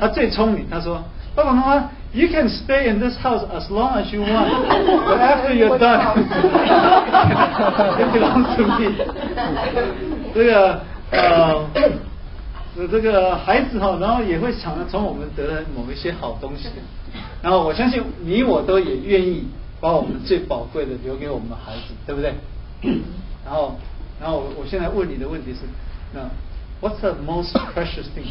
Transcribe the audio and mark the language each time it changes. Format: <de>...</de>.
<zh>他最聪明，他说爸爸妈妈。</zh> <en>You can stay in this house as long as you want, but after you're done, it belongs to me.</en> <zh>这个孩子哈，然后也会想着从我们得了某一些好东西，然后我相信你我都也愿意把我们最宝贵的留给我们的孩子，对不对？然后我现在问你的问题是，那</zh> <en>What's the most precious thing?</en>